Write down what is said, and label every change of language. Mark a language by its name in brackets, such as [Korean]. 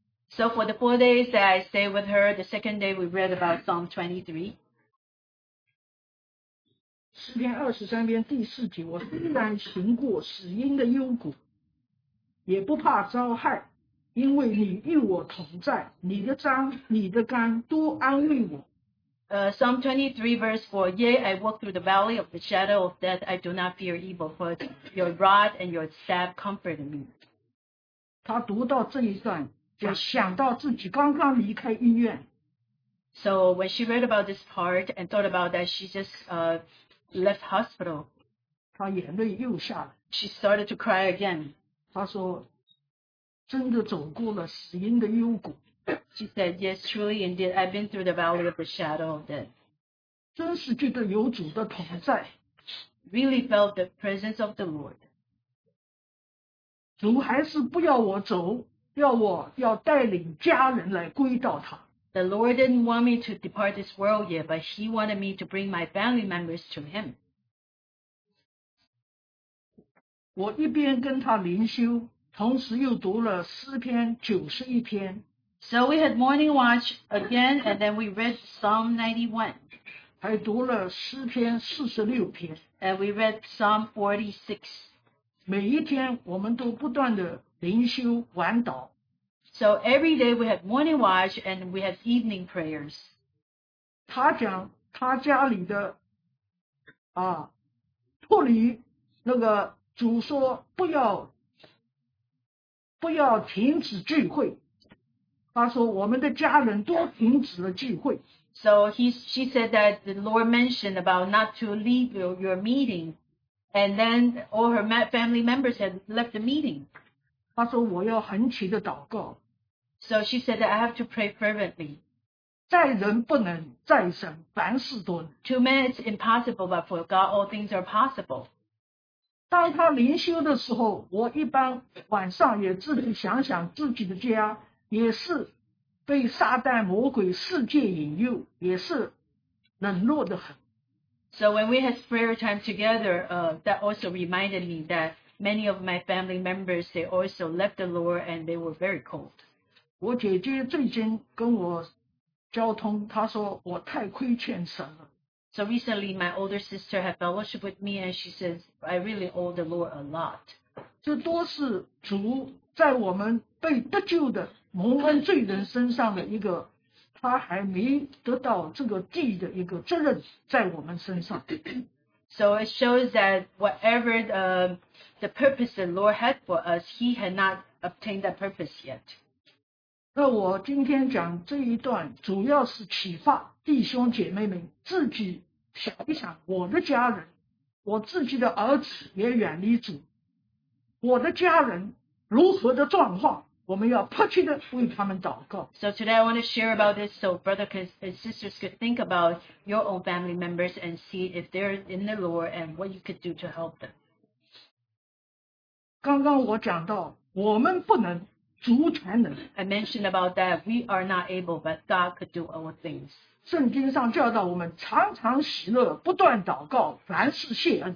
[English] So for the 4 days that I stayed with her, the second day we read about Psalm 23. [Chinese] 23篇第四节，我虽然行过死荫的幽谷，也不怕遭害，因为你与我同在，你的杖、你的竿都安慰我。 [English] Psalm 23 verse 4, Yea, I walk through the valley of the shadow of death, I do not fear evil, for your rod and your staff comfort me. [Chinese] 他读到这一段，想到自己刚刚离开医院。 [English] So when she read about this part and thought about that, she just left hospital. [Chinese] 她眼泪又下来。 [English] She started to cry again. [Chinese] 她说，真的走过了死荫的幽谷。 [English] She said, yes, truly indeed, I've been through the valley of the shadow of death. [Chinese] 真是觉得有主的同在。 [English] Really felt the presence of the Lord. [Chinese] 主还是不要我走。要带领家人来归到他。 [English] The Lord didn't want me to depart this world yet, but He wanted me to bring my family members to Him. [Chinese] 我一边跟他灵修，同时又读了91篇。 [English] So we had morning watch again, and then we read Psalm 91. [Chinese] 还读了46篇。 [English] And we read Psalm 46. [Chinese] 每一天我们都不断的灵修晚祷。 [English] So every day we have morning watch and we have evening prayers. [Chinese] 他讲他家里的脱离那个主说不要停止聚会。他说我们的家人都停止了聚会。 [English] So she said that the Lord mentioned about not to leave your meeting. And then all her family members had left the meeting. [Chinese] 他说我要恒切的祷告。 [English] So she said that I have to pray fervently. [Chinese] 在人不能，在神凡事都能。 [English] To man it's impossible, but for God all things are possible. [Chinese] 当他灵修的时候，我一般晚上也自己想想自己的家也是被撒旦魔鬼世界引诱，也是冷落得很。 [English] So when we had prayer time together, that also reminded me that many of my family members, they also left the Lord and they were very cold. [Chinese] 我姐姐最近跟我交通，她说我太亏欠神了。 [English] So recently, my older sister had fellowship with me and she says, I really owe the Lord a lot. [Chinese] 这都是主在我们被得救的蒙恩罪人身上的一个，他还没得到这个地的一个责任在我们身上。 [English] So it shows that whatever the purpose the Lord had for us, he had not obtained that purpose yet. [Chinese] 那我今天讲这一段，主要是启发弟兄姐妹们自己想一想，我的家人，我自己的儿子也远离主，我的家人如何的状况。 [English] So today I want to share about this so brothers and sisters could think about your own family members and see if they're in the Lord and what you could do to help them. [Chinese] 刚刚我讲到，我们不能，主才能。 [English] I mentioned about that we are not able, but God could do all things. [Chinese] 圣经上教导我们常常喜乐，不断祷告，凡事谢恩。